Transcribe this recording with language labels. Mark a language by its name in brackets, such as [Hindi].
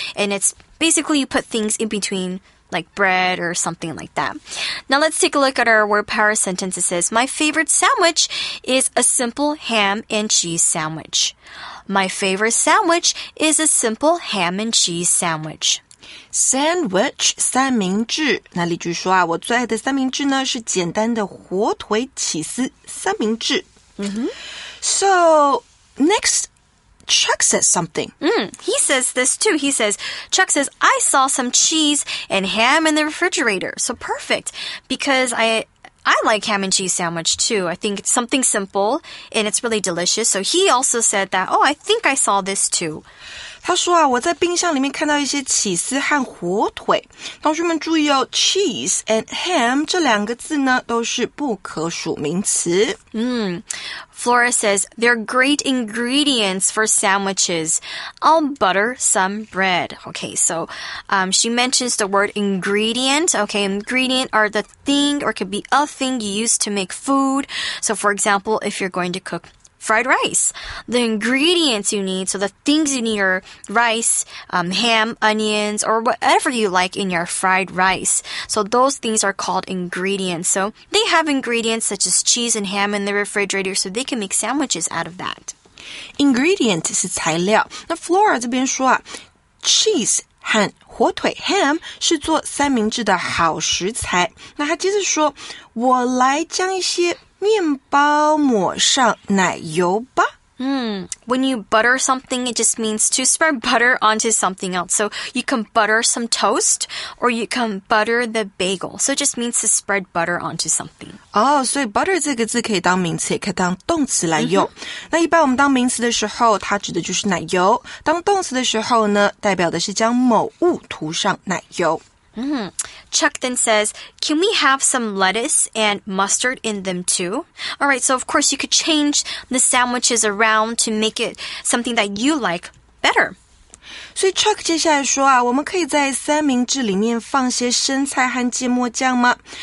[English] And it's basically you put things in between... like bread or something like that. Now let's take a look at our word power sentence. It says, my favorite sandwich is a simple ham and cheese sandwich. My favorite sandwich is a simple ham and cheese sandwich. [Chinese] Sandwich, 三明治。那例句说啊，我最爱的三明治呢是简单的火腿起司三明治。 [English] So, next... Chuck says something. He says this too. He says, Chuck says, I saw some cheese and ham in the refrigerator. So perfect. Because I like ham and cheese sandwich too. I think it's something simple and it's really delicious. So he also said that, I think I saw this too. [Chinese] 他说啊，我在冰箱里面看到一些起司和火腿。同学们注意哦， [English] cheese and ham [Chinese] 这两个字呢都是不可数名词。 [English] Flora says, they're great ingredients for sandwiches. I'll butter some bread. Okay, so she mentions the word ingredient. Okay, ingredient are the thing or could be a thing you use to make food. So, for example, if you're going to cook fried rice, the ingredients you need, so the things you need are rice, ham, onions, or whatever you like in your fried rice. So those things are called ingredients. So they have ingredients such as cheese and ham in the refrigerator, so they can make sandwiches out of that. [Chinese] Ingredient 是材料。那 Flora 这边说啊， cheese 和火腿 ham 是做三明治的好食材。那他接着说，我来将一些面包抹上奶油吧。 [English] When you butter something, it just means to spread butter onto something else. So you can butter some toast or you can butter the bagel. So it just means to spread butter onto something. [Chinese] 所以 butter 这个字可以当名词，也可以当动词来用。那一般我们当名词的时候，它指的就是奶油。当动词的时候呢，代表的是将某物涂上奶油。 [English] Chuck then says, can we have some lettuce and mustard in them too? All right, so of course you could change the sandwiches around to make it something that you like better. [Chinese] 所以 Chuck 接下来说啊，我们可以在三明治里面放些生菜和芥末酱吗？